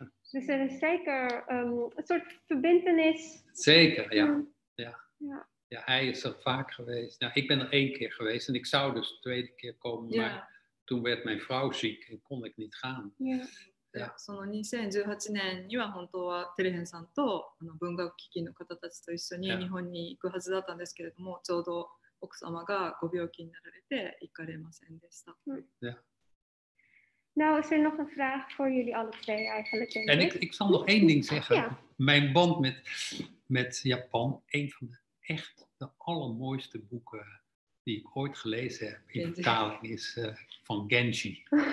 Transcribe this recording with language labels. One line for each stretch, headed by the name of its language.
Dutch: Dus er is zeker een soort verbindenis. Zeker, ja. Ja. Hij is er vaak geweest. Nou, ik ben er 1 keer geweest en ik zou dus de 2e keer komen, maar toen werd mijn vrouw ziek en kon ik niet gaan.
Japanese: その 2018年 には本当はテレヘンさんと文学機器の方たちと一緒に日本に行くはずだったんですけれども、ちょうど奥様がご病気になられて行かれませんでした。
Dutch: Now is there nog een vraag voor jullie alle twee eigenlijk? En ik zal nog 1 ding zeggen. Yeah. Mijn band met Japan, een van de echt de allermooiste boeken die ik ooit gelezen heb in vertaling is van Genji.